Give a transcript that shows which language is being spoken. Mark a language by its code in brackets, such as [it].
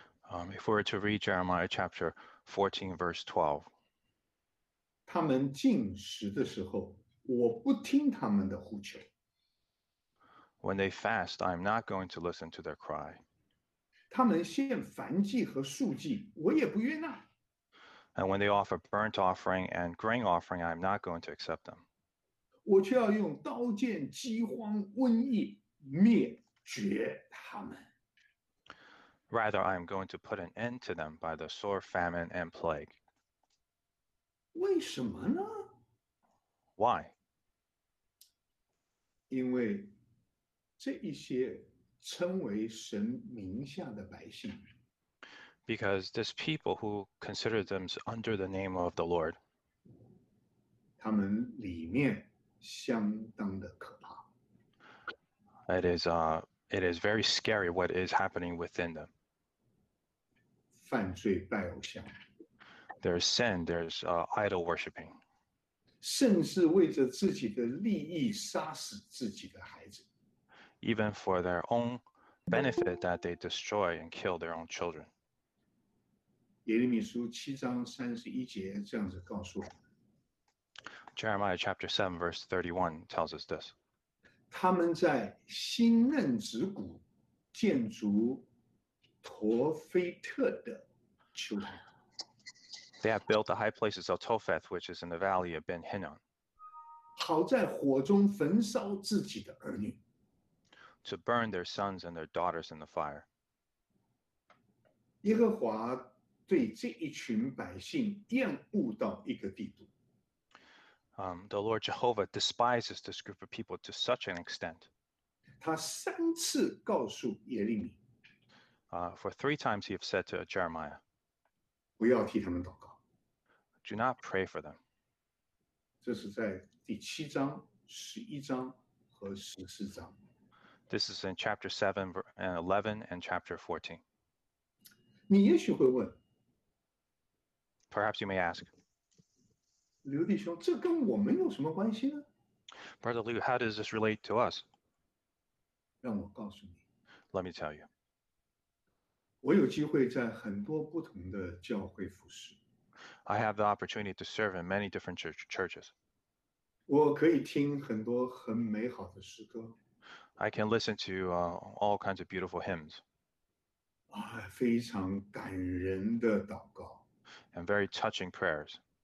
[en] If we were to read Jeremiah chapter 14, verse 12. [zh] 他们进食的时候，我不听他们的呼求。 [en] When they fast, I am not going to listen to their cry. [zh] 他们献燔祭和素祭，我也不悦纳。 [en] And when they offer burnt offering and grain offering, I am not going to accept them. [zh] 我却要用刀剑、饥荒、瘟疫灭绝他们。 [en] Rather, I am going to put an end to them by the sore famine and plague. [zh] 为什么呢？ [en] Why? [zh] 因为这一些称为神名下的百姓。 [en] Because this people who consider themselves under the name of the Lord. [zh] 他们里面相当的可怕。 [en] It is very scary what is happening within them. [zh] 犯罪拜偶像。 [en] There's sin, there's idol worshiping. [zh] 甚至为着自己的利益杀死自己的孩子。 [en] Even for their own benefit that they destroy and kill their own children. [zh] 耶利米书七章三十一节这样子告诉我们。 [en] Jeremiah chapter 7 verse 31 tells us this. [zh] 他们在新嫩子谷建筑陀菲特的丘坛。 [en] They have built the high places of Topheth, which is in the valley of Ben Hinnom. [zh] 好在火中焚烧自己的儿女。 [en] To burn their sons and their daughters in the fire. [zh] 耶和华对这一群百姓厌恶到一个地步。 [en] The Lord Jehovah despises this group of people to such an extent. [zh] 他三次告诉耶利米。 [en] For three times he has said to Jeremiah, [zh] 不要替他们祷告。 [en] Do not pray for them. [zh] 这是在第七章、十一章和十四章。 [en] This is in chapter 7 and 11 and chapter 14. [zh] 你也许会问。 [en] Perhaps you may ask. [zh] 刘弟兄，这跟我们有什么关系呢？ [en] Brother Liu, how does this relate to us? [zh] 让我告诉你。 [en] Let me tell you. [zh] 我有机会在很多不同的教会服侍。 [en] I have the opportunity to serve in many different churches. [zh] 我可以听很多很美好的诗歌。 [en] I can listen to all kinds of beautiful hymns. [zh] 啊，非常感人的祷告。 [en] And very touching prayers.